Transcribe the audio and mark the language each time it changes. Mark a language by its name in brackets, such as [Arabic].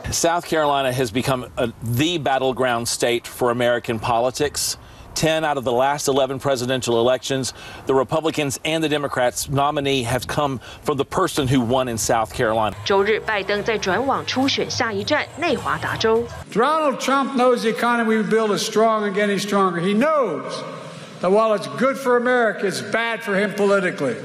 [English] South Carolina has become the battleground state for American politics. 10 out of the last 11 presidential elections, the Republicans and the Democrats' nominee have come from the person who won in South Carolina. [Chinese] 周日，拜登在转网初选下一站内华达州。 [English] Donald Trump knows the economy we build is strong and getting stronger. He knows. That while it's good for America, it's bad for him politically.